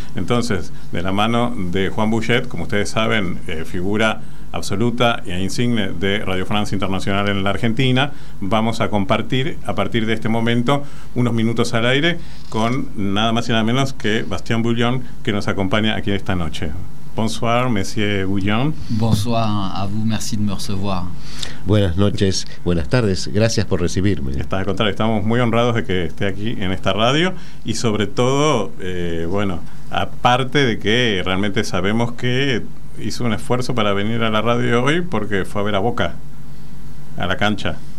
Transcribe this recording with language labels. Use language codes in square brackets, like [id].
[es] Entonces, de la mano de Juan Bouchet, como ustedes saben, figura absoluta e insigne de Radio France Internacional en la Argentina, vamos a compartir, a partir de este momento, unos minutos al aire con nada más y nada menos que Bastien Bouillon, que nos acompaña aquí esta noche. [fr] Bonsoir, Monsieur Bouillon. Bonsoir a vous, merci de me recevoir. [es] Buenas noches, buenas tardes, gracias por recibirme. Está, al contrario, estamos muy honrados de que esté aquí en esta radio y sobre todo, bueno, aparte de que realmente sabemos que hizo un esfuerzo para venir a la radio hoy porque fue a ver a Boca, a la cancha.